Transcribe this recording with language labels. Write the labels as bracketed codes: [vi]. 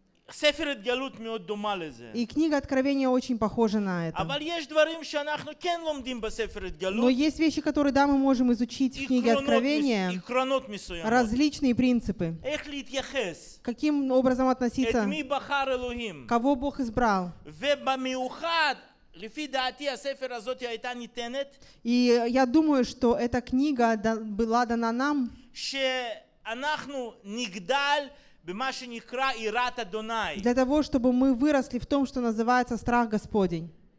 [he] וספר התגלות מאוד דומה לזה. [ru] И книга Откровения очень похожа на это. [he] אבל יש דברים שאנחנו כן לומדים בספר התגלות. [ru] Но есть вещи, которые да, мы можем изучить в книге Откровения. [he] И хронот мисуем. [ru] Различные принципы. [he] איך להתייחס. [ru] Каким образом относиться. [he] את מי בחר אלוהים. [ru] Кого Бог избрал. [he] ובמיוחד לפי דעתי הספר הזאת הייתה ניתנת. [ru] И я думаю, что эта книга была дана нам. [he] שאנחנו נגדל [ru] для того, чтобы мы выросли в том, что называется страх Господень.